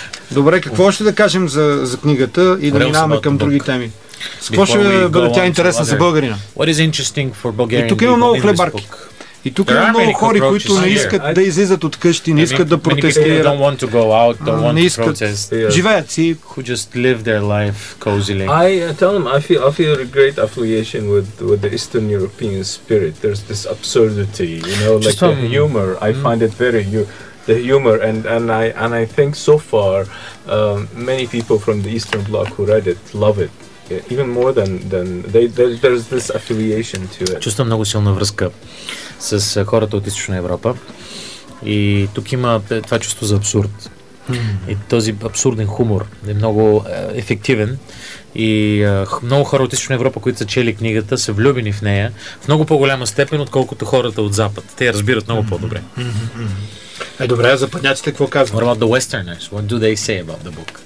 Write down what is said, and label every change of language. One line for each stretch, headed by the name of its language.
Bulgarian: Добре, какво ще да кажем за книгата и да минаваме към други теми? С какво ще бъде тя интересна за българина? И тук има много хлебарки. И тук има много хора, които не искат да излизат от къщи, не искат да протестират. Не искат. Живеят си.
English: Who just live their life cozily. I tell them I feel a great affiliation with the Eastern European spirit. There's this absurdity, you know, like the humor. I find it very the humor and I think so far many people from the Eastern Bloc who read it love it. Even more than there's this affiliation to it.
Bulgarian: Чувствам много силна връзка с хората от Източна Европа. И тук има това чувство за абсурд. И този абсурден хумор е много ефективен. И много хора от Източна Европа, които са чели книгата, са влюбени в нея в много по-голяма степен, отколкото хората от Запад. Те я разбират много по-добре. Е, добре, а западняците какво казват?
English: What about the Westerners? What do they say about the book?